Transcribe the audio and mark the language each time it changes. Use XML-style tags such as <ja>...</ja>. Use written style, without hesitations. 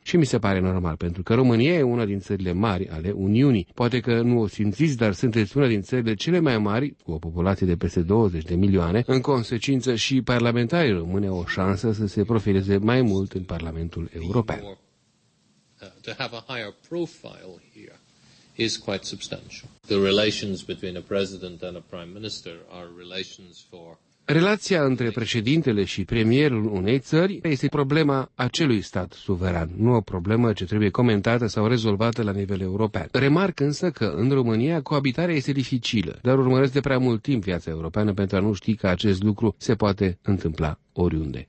<ro>Și mi se pare normal, pentru că România e una din țările mari ale Uniunii. Poate că nu o simțiți, dar sunteți una din țările cele mai mari, cu o populație de peste 20 de milioane. În consecință, și parlamentarii români au o șansă să se profileze mai mult în Parlamentul European.</ro> <en>To have a higher profile here is quite substantial. The relations between a president and a prime minister are relations for...</en> <ro>Relația între președintele și premierul unei țări este problema acelui stat suveran, nu o problemă ce trebuie comentată sau rezolvată la nivel european. Remarc însă că în România coabitarea este dificilă, dar urmăresc de prea mult timp viața europeană pentru a nu ști că acest lucru se poate întâmpla oriunde.</ro>